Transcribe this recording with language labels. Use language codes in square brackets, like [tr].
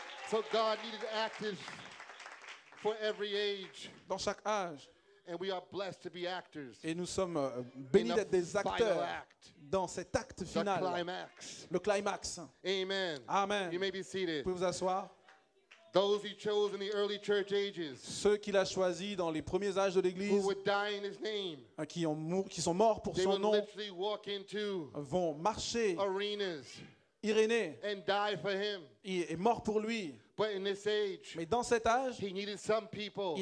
[en] So God needed actors for every age. [fr] Dans chaque âge. [en] And we are blessed to be actors. [fr] Et nous sommes bénis d'être des acteurs dans cet acte final, le climax. [en] Amen. [fr] Amen. [en] You may be seated. [fr] Vous pouvez vous asseoir. [en] Those he chose in the early church ages, [fr] ceux qu'il a choisis dans les premiers âges de l'Église, [en] who would die in his name, [fr] qui sont morts pour son nom, [en] literally walk into [fr] vont marcher [en] arenas, [fr] Irénée, [en] and die for him. [fr] Et mort pour lui. [en] But in this age, [fr] mais dans cet âge, [en] he needed some people,